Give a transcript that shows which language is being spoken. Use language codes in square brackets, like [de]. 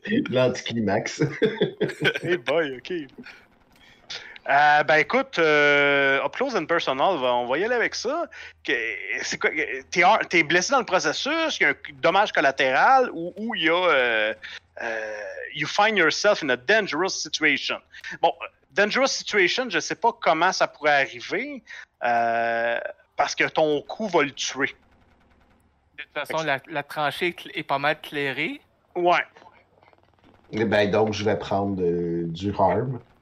[fr] L'anticlimax. [en] Hey boy, OK. [fr] Ben écoute, up close and personal, on va y aller avec ça. C'est quoi? T'es blessé dans le processus, il y a un dommage collatéral ou il y a... [en] you find yourself in a dangerous situation. [fr] Bon... Dangerous situation, je ne sais pas comment ça pourrait arriver parce que ton coup va le tuer. De toute façon, la tranchée est pas mal clairée. Ouais. Et ben donc, je vais prendre du harm.